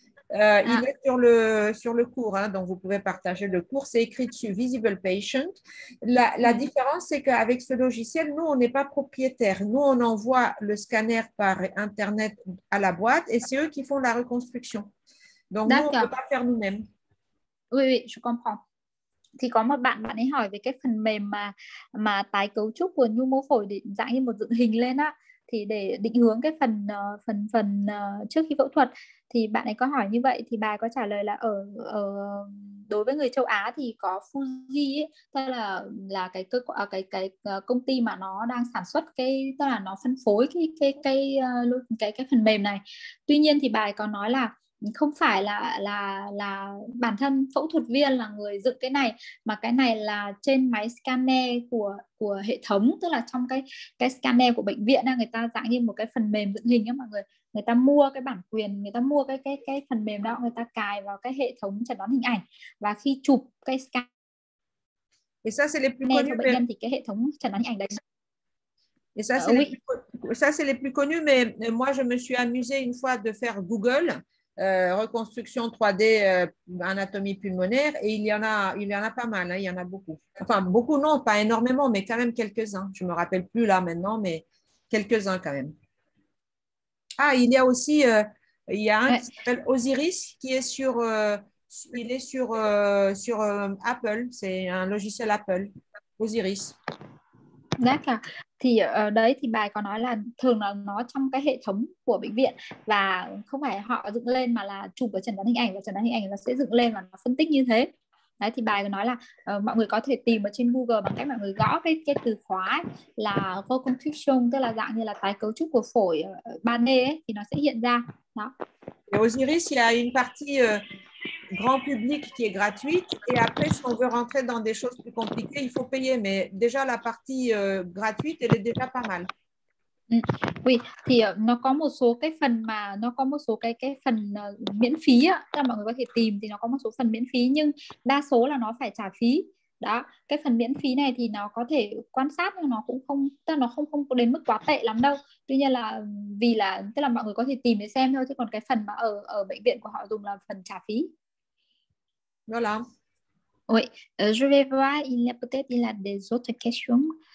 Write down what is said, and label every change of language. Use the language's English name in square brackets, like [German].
[French] Il est sur le cours, hein, donc vous pouvez partager le cours. C'est écrit dessus, Visible Patient. La différence, c'est qu'avec ce logiciel, nous, on n'est pas propriétaire. Nous, on envoie le scanner par Internet à la boîte et c'est eux qui font la reconstruction. Donc, nous, on ne peut pas faire nous-mêmes. Oui, je comprends. [Vietnamese] Thì có một bạn ấy hỏi về cái phần mềm mà tái cấu trúc của nhu mô phổi để dạng như một dựng hình lên á, thì để định hướng cái phần trước khi phẫu thuật, thì bạn ấy có hỏi như vậy. Thì bà có trả lời là ở đối với người châu Á thì có Fuji ấy, tức là cái công ty mà nó đang sản xuất cái, tức là nó phân phối cái phần mềm này. Tuy nhiên thì bà ấy có nói là không phải là bản thân phẫu thuật viên là người dựng cái này, mà cái này là trên máy scanner của hệ thống, tức là trong cái scanner của bệnh viện, người ta dạng như một cái phần mềm dựng hình đó mọi người. Người ta mua cái bản quyền, người ta mua cái phần mềm đó, người ta cài vào cái hệ thống chẩn đoán hình ảnh, và khi chụp cái scanner cho bệnh nhân thì cái hệ thống chẩn đoán hình ảnh đấy. [French] Ça c'est les plus connus, mais moi je me suis amusée une fois de faire Google reconstruction 3D anatomie pulmonaire, et il y en a pas mal, hein, il y en a beaucoup. Enfin, beaucoup non, pas énormément, mais quand même quelques-uns. Je ne me rappelle plus là maintenant, mais quelques-uns quand même. Ah, il y a aussi, il y a un qui s'appelle Osiris, qui est sur Apple, c'est un logiciel Apple, Osiris. D'accord. [Vietnamese] Thì ở đấy thì bà có nói là thường là nó trong cái hệ thống của bệnh viện, và không phải họ dựng lên mà là chụp ở chẩn đoán hình ảnh, và chẩn đoán hình ảnh nó sẽ dựng lên và nó phân tích như thế. Đấy thì bà có nói là mọi người có thể tìm ở trên Google bằng cách mọi người gõ cái từ khóa ấy, là reconstruction, tức là dạng như là tái cấu trúc của phổi 3D ấy, thì nó sẽ hiện ra. Đó. [French] Osiris, il y a une partie grand public qui est gratuite, et après si on veut rentrer dans des choses plus compliquées il faut payer, mais déjà la partie gratuite elle est déjà pas mal. [Vietnamese] Oui, thì nó có một số cái phần mà nó có một số cái phần miễn phí á, các mọi người có thể tìm, thì nó có một số phần miễn phí, nhưng đa số là nó phải trả phí. Đó, cái phần miễn phí này thì nó có thể quan sát, nhưng nó cũng không, tức là nó không có đến mức quá tệ lắm đâu. Tuy nhiên là vì là, tức là mọi người có thể tìm để xem thôi, chứ còn cái phần mà ở bệnh viện của họ dùng là phần trả phí. [French] Voilà. Oui, je vais voir, il y a peut-être il y a des autres questions.